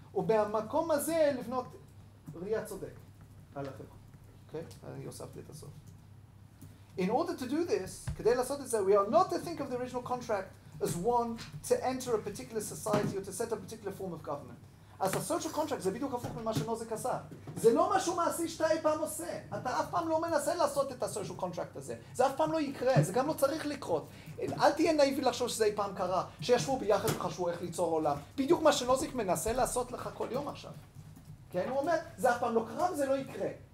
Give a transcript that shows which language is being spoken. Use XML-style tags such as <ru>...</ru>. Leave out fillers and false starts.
<he>ובמקום הזה לבנות ראייה צודק על החברה. אוקיי? אני הוספתי את הסוף.</he> <en>In order to do this,</en> <he>כדי לעשות את זה,</he> <en>we are not to think of the original contract as one to enter a particular society or to set a particular form of government.</en> <he>אז ה-social contract זה בדיוק הפוך ממה שנוזק עשה. זה לא משהו מעשי שאתה אי פעם עושה. אתה אף פעם לא מנסה לעשות את ה-social contract הזה. זה אף פעם לא יקרה, זה גם לא צריך לקרות. אל תהיה נאיבי לחשוב שזה אי פעם קרה, שישבו ביחד וחשבו איך ליצור עולם. בדיוק מה שנוזק מנסה לעשות לך כל יום עכשיו. כן, הוא אומר, זה אף פעם לא קרה וזה לא יקרה.</he>